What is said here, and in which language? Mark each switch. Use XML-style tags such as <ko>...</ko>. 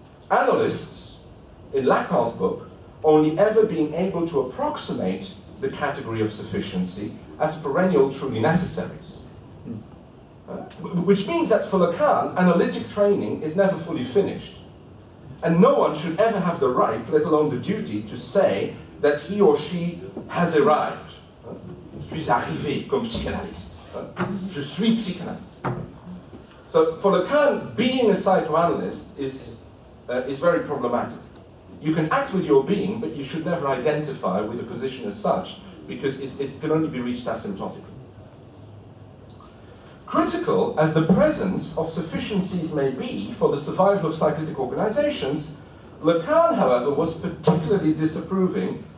<en>Analysts, in Lacan's book, only ever being able to approximate the category of sufficiency as perennial truly necessaries. Which means that for Lacan, analytic training is never fully finished. And no one should ever have the right, let alone the duty, to say that he or she has arrived.</en> <fr>Je suis arrivé comme psychanalyste. Je suis psychanalyste.</fr> <en>So for Lacan, being a psychoanalyst is very problematic. You can act with your being, but you should never identify with a position as such, because it can only be reached asymptotically. Critical as the presence of sufficiencies may be for the survival of psychotic organizations, Lacan, however, was particularly disapproving</en>